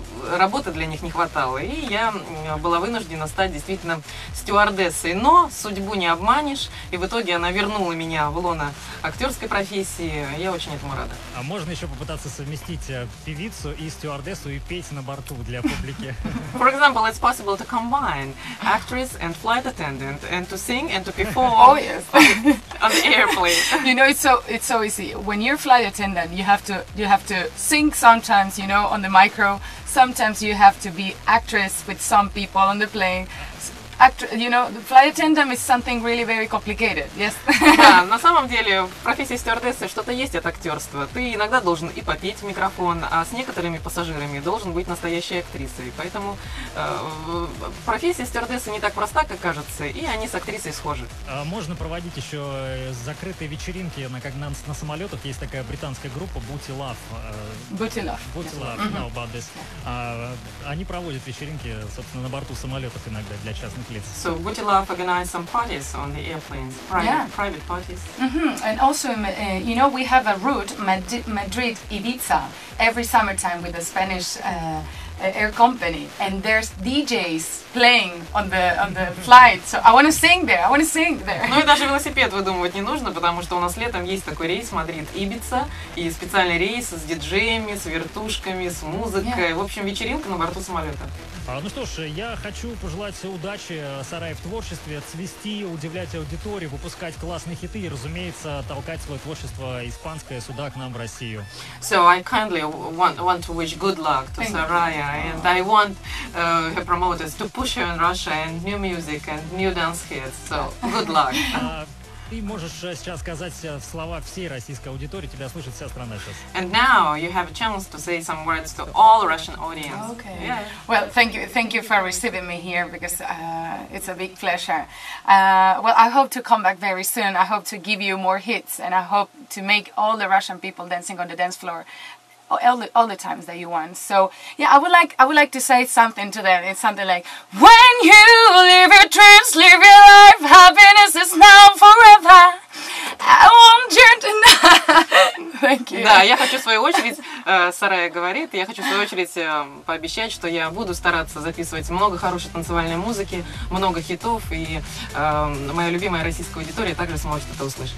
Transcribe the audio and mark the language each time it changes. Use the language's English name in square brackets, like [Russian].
[Russian] Работы для них не хватало, и я была вынуждена стать действительно стюардессой. Но судьбу не обманешь, и в итоге она вернула меня в лоно актерской профессии. Я очень этому рада. А можно еще попытаться совместить певицу и стюардессу и петь на борту для публики? [English] For example, it's possible to combine actress and flight attendant and to sing and to perform. Oh yes, on the airplane. You know, it's so easy. When you're flight attendant, you have to sing sometimes, you know, on the micro. Sometimes you have to be actress with some people on the plane. You know, the flight attendant is something really very complicated. Yes. [Russian] Да, на самом деле в профессии стюардессы что-то есть от актерства. Ты иногда должен и попеть в микрофон, а с некоторыми пассажирами должен быть настоящей актрисой. Поэтому профессия стюардессы не так проста, как кажется, и они с актрисой схожи. Можно проводить еще закрытые вечеринки на самолетах. Есть такая британская группа Booty Love. Booty Love. [English] Mm-hmm. Know about this. [Russian] Они проводят вечеринки, собственно, на борту самолетов иногда для частных. [English] So, would you love to organize some parties on the airplanes, private parties? Mm-hmm. And also, you know, we have a route, Madrid Ibiza, every summertime with a Spanish air company, and there's DJs playing on the flight. So I want to sing there. [Russian] Ну и даже велосипед выдумывать не нужно, потому что у нас летом есть такой рейс Мадрид-Ибица, и специальный рейс с диджеями, с вертушками, с музыкой. Yeah. В общем, вечеринка на борту самолета. Ну что ж, я хочу пожелать удачи Сарай в творчестве, цвести, удивлять аудиторию, выпускать классные хиты и, разумеется, толкать свое творчество испанское сюда к нам в Россию. [English] So I kindly want to wish good luck to Сарай, and I want her promoters to push her in Russia and new music and new dance hits. So good luck. [Russian] Ты можешь сейчас сказать слова всей российской аудитории, тебя слышит вся страна сейчас. [English] And now you have a chance to say some words to all Russian audience. Okay. Yeah. Well, thank you for receiving me here because it's a big pleasure. Well, I hope to come back very soon. I hope to give you more hits and I hope to make all the Russian people dancing on the dance floor all the times that you want. So, yeah, I would like to say something to them. It's something like, when you live your dreams, live your life, happiness is now forever. I want you to know. Thank you. [Russian] Да, я хочу в свою очередь, Сарая говорит, я хочу в свою очередь пообещать, что я буду стараться записывать много хорошей танцевальной музыки, много хитов, и моя любимая российская аудитория также сможет это услышать.